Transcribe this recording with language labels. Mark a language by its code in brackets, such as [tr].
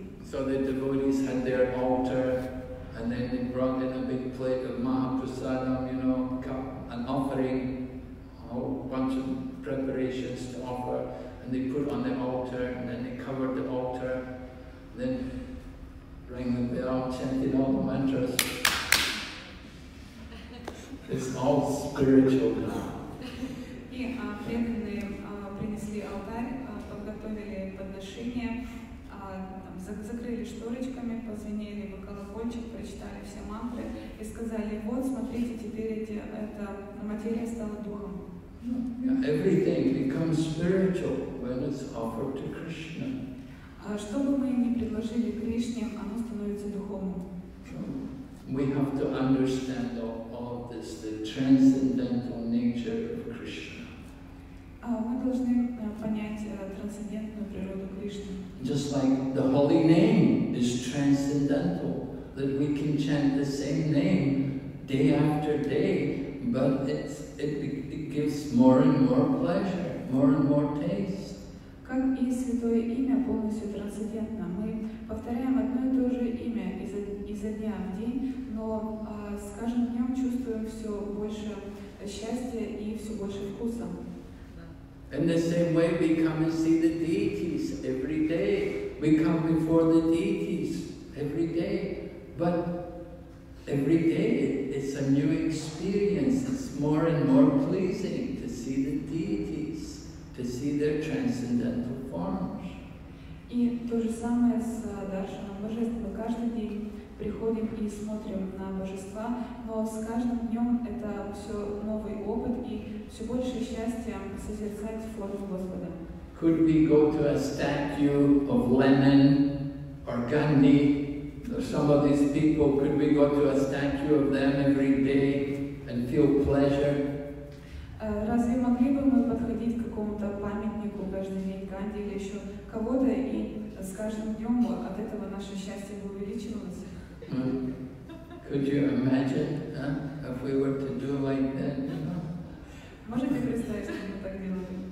[en] So the devotees had their altar, and then they brought in a big plate of Mahaprasadam, you know, an offering, a whole bunch of preparations to offer, and they put on the altar, and then they covered the altar, then rang the bell, chanted all the mantras. It's all spiritual now. [ru] Yeah, принесли алтарь, подготовили подношение. Закрыли шторочками, позвенели бы колокольчик, прочитали все мантры и сказали, вот смотрите, теперь эта материя стала духом. [en] Everything becomes spiritual when it's offered to Krishna. [ru] Что бы мы ни предложили Кришне, оно становится духовным. [en] we have to understand all this, the transcendental nature of Krishna. [ru] Мы должны понять трансцендентную природу Кришны. [en] Just like the holy name is transcendental, that we can chant the same name day after day, but it gives more and more pleasure, more and more taste. [ru] Как и святое имя полностью трансцендентно, мы повторяем одно и то же имя изо дня в день, но с каждым днем чувствуем все больше счастья и все больше вкуса. [en] In the same way, we come and see the deities every day. We come before the deities every day. But every day, it's a new experience. It's more and more pleasing to see the deities, to see their transcendental forms. [ru] И то же самое с даршаном божества. Каждый день приходим и смотрим на божества, но с каждым днем это все новый опыт и все больше счастья созерцать форму Господа. [en] Could we go to a statue of Lenin or Gandhi or some of these people? Could we go to a statue of them every day and feel pleasure? [ru] Разве могли бы мы подходить к какому-то памятнику каждый день Ганди или еще кого-то и с каждым днем от этого наше счастье бы увеличивалось? [en] Could you imagine if we were to do like that? [ru] Можете представить, что мы так делаем?